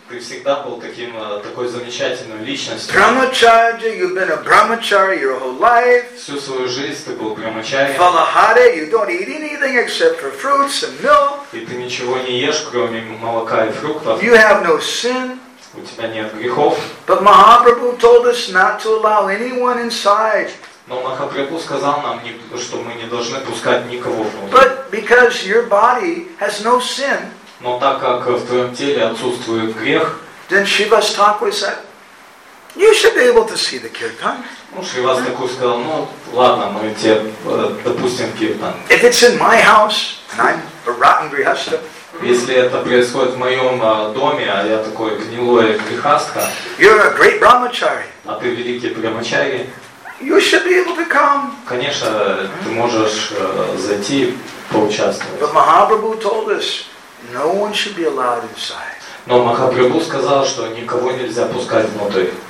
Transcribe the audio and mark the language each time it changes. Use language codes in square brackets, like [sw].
[ru] Ты всегда был таким такой замечательной личностью. [en] Brahmacharya, you've been a brahmachari your whole life. [ru] Всю свою жизнь ты был брамачари. [en] Falahare, you don't eat anything except for fruits and milk. [ru] И ты ничего не ешь, кроме молока и фруктов. [en] You have no sin. [ru] У тебя нет грехов. [en] But Mahaprabhu told us not to allow anyone inside. [ru] Но Махапрабху сказал нам, что мы не должны пускать никого внутрь. [en] But because your body has no sin, [ru] но так как в твоем теле отсутствует грех, [en] then Shrivas Thakur said, you should be able to see the kirtan. [ru] Ну, Шривас Такур сказал, ну ладно, мы тебе допустим киртан. [en] If it's in my house, and I'm a rotten grihastha, [ru] если это происходит в моем доме, а я такой гнилой грихастха, [en] you're a great brahmachari. [ru] А ты великий брамачари. [en] You should be able to come. [ru] Конечно, ты можешь зайти, поучаствовать. [en] But Mahaprabhu told us no one should be allowed inside. [ru] Но Махапрабху сказал, что никого нельзя пускать внутрь.